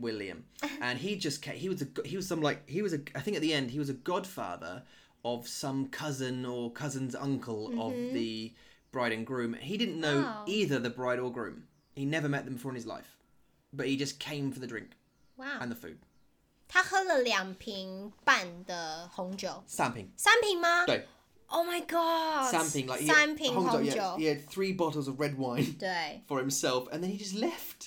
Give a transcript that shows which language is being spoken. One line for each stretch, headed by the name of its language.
English: William, and he just came, I think at the end he was a godfather of some cousin or cousin's uncle of the bride and groom. He didn't know either the bride or groom. He never met them before in his life, but he just came for the drink and the food.
Chinese: 他喝了两瓶半的红酒，三瓶吗？
English: Oh my god!
Chinese: 三瓶红酒。
English: He had three bottles of red wine for himself, and then he just left.